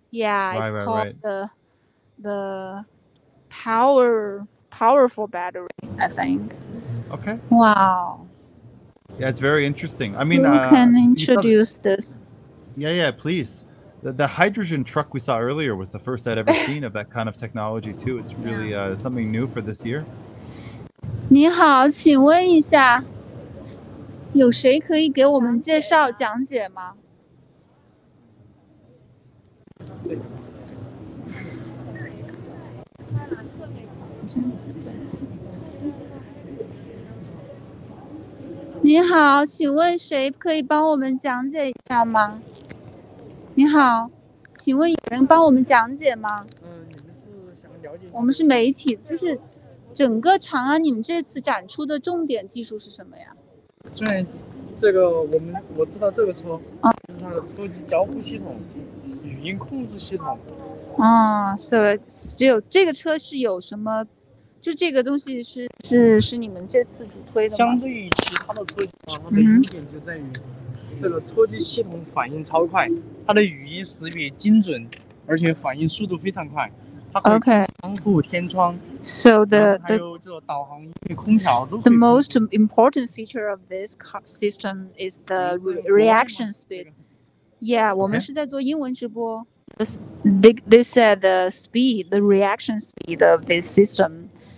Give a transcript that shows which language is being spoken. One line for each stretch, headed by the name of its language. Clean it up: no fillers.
English: Yeah, it's called the powerful battery, I think. Okay. Wow. Yeah, it's very interesting. I mean, you can introduce this. Yeah, please. The hydrogen truck we saw earlier was the first I'd ever seen of that kind of technology too. It's really something new for this year.
Chinese: 你好，请问一下，有谁可以给我们介绍讲解吗？
English: Thank you.
Chinese: 你好，请问谁可以帮我们讲解一下吗？你好，请问有人帮我们讲解吗？嗯，你们是想了解？我们是媒体，就是整个长安，你们这次展出的重点技术是什么呀？对，这个我知道这个车，啊，是它的车机交互系统、语音控制系统。啊，所以只有这个车是有什么？就这个东西是你们这次主推的吗？相对于其他的车机，它的优点就在于这个车机系统反应超快，它的语音识别精准，而且反应速度非常快。 OK。窗户、天窗。
English: So the
Chinese: 还有这个导航、空调都。
English: The most important feature of this system is the reaction speed.
Chinese: Yeah, 我们是在做英文直播。
English: They said the speed, the reaction speed of this system.